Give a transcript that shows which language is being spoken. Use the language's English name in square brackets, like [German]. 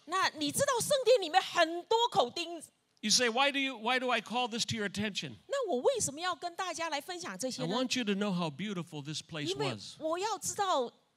[Chinese] 那你知道圣殿里面很多口钉, [English] You say, why do I call this to your attention? [Chinese] 那我为什么要跟大家来分享这些呢? [English] I want you to know how beautiful this place was.